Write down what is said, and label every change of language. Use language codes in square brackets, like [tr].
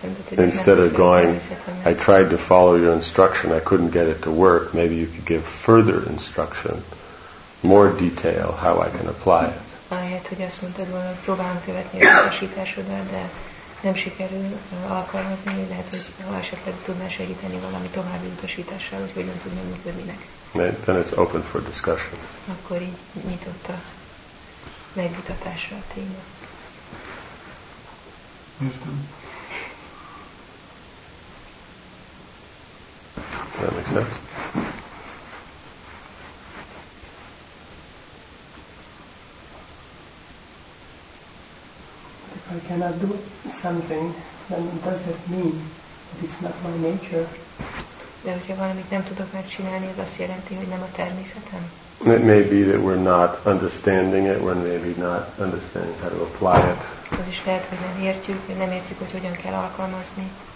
[en] Instead of going, I tried to follow your instruction, I couldn't get it to work, maybe you could give further instruction, more detail, how I can apply it. [hu] Ahelyett, hogy azt mondtad volna, hogy próbálom követni az utasításodat, de nem sikerül alkalmazni, lehet, hogy ha esetleg tudnál segíteni valami további utasítással, hogy hogyan tudnám működni neked. [en] Then it's open for discussion. [hu] Akkor így nyitott a megvitatásra a téma. Értem. [en] That makes sense. If I cannot do something, then does it mean that it's not my nature? [hu] De hogyha valamit nem tudok megcsinálni, az azt jelenti, hogy nem a természetem? [en] It may be that we're not understanding it, we're maybe not understanding how to apply it. [hu] Az is lehet, hogy nem értjük, hogy hogyan kell alkalmazni.